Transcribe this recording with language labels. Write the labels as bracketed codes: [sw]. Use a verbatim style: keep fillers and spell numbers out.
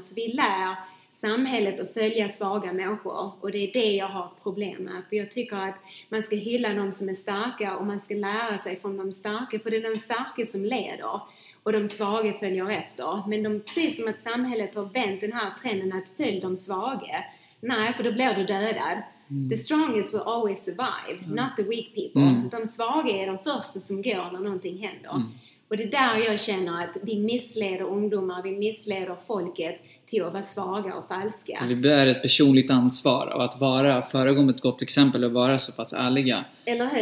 [sv] Så vi lär samhället att följa svaga människor. Och det är det jag har problem med. För jag tycker att man ska hylla de som är starka och man ska lära sig från de starka. För det är de starka som leder. Och de svaga följer efter. Men de, precis som att samhället har vänt den här trenden att följa de svaga. Nej, för då blir du dödad. [en] Mm. The strongest will always survive, mm. not the weak people. Mm. [sv] De svaga är de första som går när någonting händer. Mm. Och det är där jag känner att vi missleder ungdomar, vi missleder folket till att vara svaga och falska. Det blir ett personligt ansvar av att vara föregå med ett gott exempel och vara så pass ärliga. Eller hur?